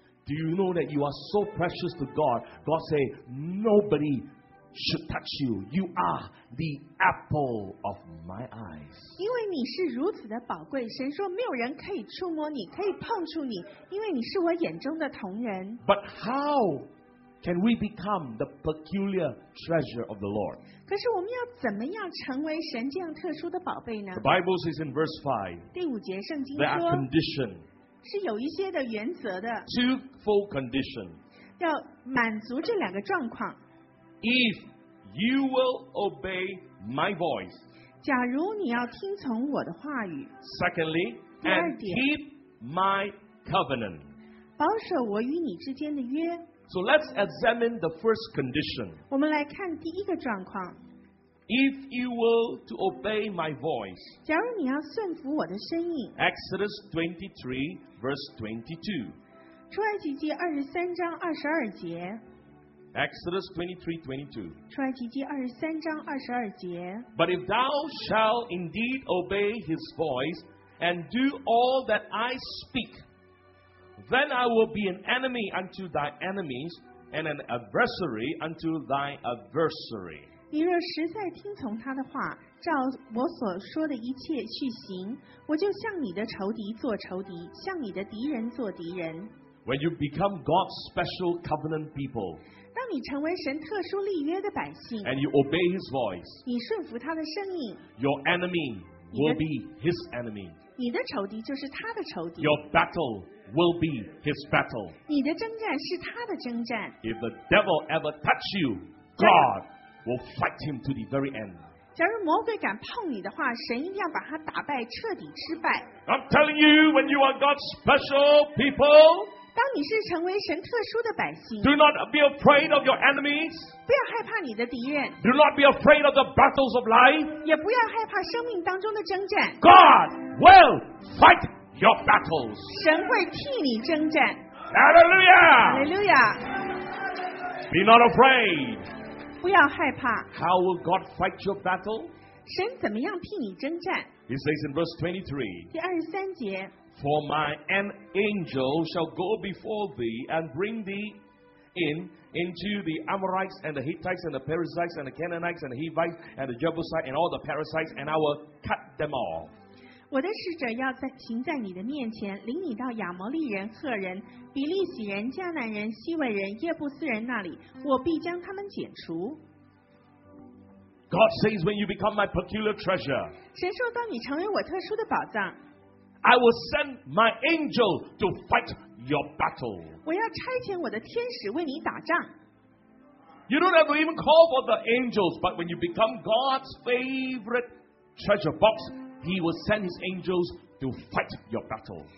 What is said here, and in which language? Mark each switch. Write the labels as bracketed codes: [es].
[en] Do you know that you are so precious to God? God say, nobody should touch you. You are the apple of my eyes. [zh] 因为你是如此的宝贵，神说没有人可以触摸你，可以碰触你，因为你是我眼中的瞳人。 [en] But how can we become the peculiar treasure of the Lord? [zh] 可是我们要怎么样成为神这样特殊的宝贝呢？ [en] The Bible says in verse 5, [zh] 第五节圣经说， [en] there are conditions. [zh] 是有一些的原则的。 [en] Two full conditions. [zh] 要满足这两个状况。 [en] If you will obey my voice. [zh] 假如你要听从我的话语。 [en] Secondly, and keep my covenant. [zh] 保守我与你之间的约。 [en] So let's examine the first condition. [zh] 我们来看第一个状况。 [en] If you will to obey my voice, [zh] 假如你要顺服我的声音， [en] Exodus 23 verse 22, [zh] 出埃及记二十三章二十二节， [en] Exodus 23:22, [zh] 出埃及记二十三章二十二节， [en] But if thou shall indeed obey his voice and do all that I speak, then I will be an enemy unto thy enemies and an adversary unto thy adversary. [zh] 你若实在听从他的话，照我所说的一切去行，我就向你的仇敌做仇敌，向你的敌人做敌人。 [en] When you become God's special covenant people, [zh] 当你成为神特殊立约的百姓， [en] and you obey his voice, [zh] 你顺服他的声音， [en] your enemy will be his enemy. [zh] 你的仇敌就是他的仇敌。 [en] Your battle will be his battle. [zh] 你的征战是他的征战。 [en] If the devil ever touch you, God will fight him to the very end. [zh] 假如魔鬼敢碰你的话，神一定要把他打败，彻底失败。 [en] I'm telling you, when you are God's special people, [zh] 当你是成为神特殊的百姓， [en] do not be afraid of your enemies. [zh] 不要害怕你的敌人。 [en] Do not be afraid of the battles of life. [zh] 也不要害怕生命当中的征战。 [en] God will fight your battles. [zh] 神会替你征战。 [en] Hallelujah! Hallelujah! Be not afraid. [zh] 不要害怕。 [en] How will God fight your battle? [zh] 神怎么样替你征战？ [en] He says in verse 23. [zh] 第二十三节。 [en] For my angel shall go before thee and bring thee in into the Amorites and the Hittites and the Perizzites and the Canaanites and the Hivites and the Jebusites and all the Perizzites and I will cut them off. [zh] 我的使者要在行在你的面前，领你到亚摩利人、赫人、比利洗人、迦南人、西魏人、耶布斯人那里，我必将他们剪除。 [en] God says, when you become my peculiar treasure, [zh] 神说，当你成为我特殊的宝藏， [en] I will send my angel to fight your battle. [zh] 我要差遣我的天使为你打仗。 [en] You don't have to even call for the angels, but when you become God's favorite treasure box. He will send his angels to fight your battle.